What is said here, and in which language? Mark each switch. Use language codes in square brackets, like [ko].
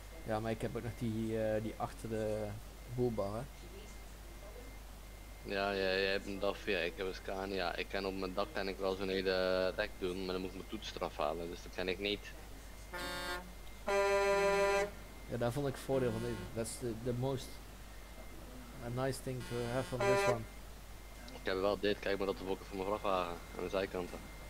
[nl] Ja, maar ik heb ook nog die achter de boelbar, hè? Ja, jij hebt een DAF, ik heb een Scania. Ik kan op mijn dak kan ik wel zo'n hele rek doen, maar dan moet ik mijn toets eraf halen, dus dat kan ik niet. Ja, daar vond ik het voordeel van deze. [en] That's the most nice thing to have on this one. [nl] Ik heb wel dit, kijk maar dat de wokken van mijn vrachtwagen aan de zijkanten.